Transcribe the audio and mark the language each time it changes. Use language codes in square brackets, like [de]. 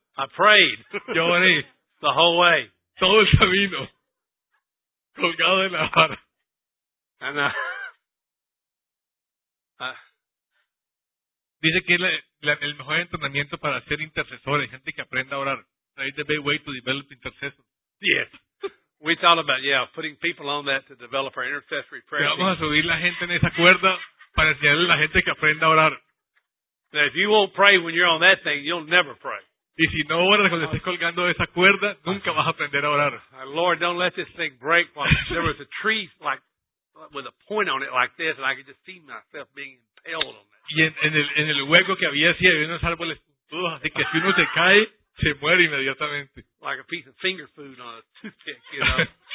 [en] I prayed. [es] Yo oré. [en] The whole way. [es] Todo el camino. Colgado en la vara. [en] And [es] dice que es el mejor entrenamiento para ser intercesor. Hay gente que aprenda a orar. [en] That is the best way to develop intercessors. Yes. We thought about, putting people on that to develop our intercessory prayer. [es] Vamos a subir la gente en esa cuerda para enseñarle a la gente que aprenda a orar. [en] Now, if you won't pray when you're on that thing, you'll never pray. [es] Y si no oras cuando estés colgando de esa cuerda, nunca vas a aprender a orar. [en] Lord, don't let this thing break. There was a tree like with a point on it like this, and I could just see myself being impaled on that. [es] Y en el hueco que había, sí, había unos árboles puntudos, así que si uno se cae, se muere inmediatamente. [en] Like a piece of finger food on a toothpick, you know.